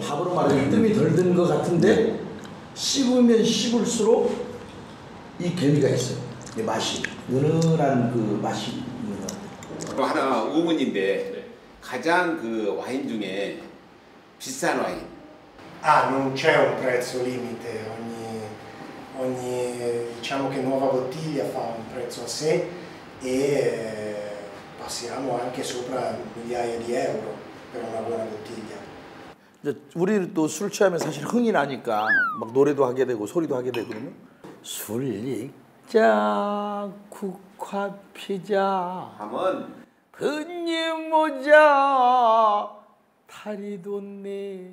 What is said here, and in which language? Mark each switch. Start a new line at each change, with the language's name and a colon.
Korean: 밥으로 말하면 뜸이 덜 든 것 같은데 씹으면 씹을수록 이 개미가 있어요. 이 맛이 은은한 그 맛이 있는 것 같아요. 하나 의문인데 가장 그 와인 중에 비싼 와인?
Italian: 아, non c'è un prezzo limite. Ogni diciamo che nuova bottiglia fa un prezzo a sé e passiamo anche sopra migliaia di euro per una buona bottiglia.
Korean: 이제 우리 또 술 취하면 사실 흥이 나니까 막 노래도 하게 되고 소리도 하게 되거든요. 술 익자 국화 피자 함은 흔님 모자 다리 돋네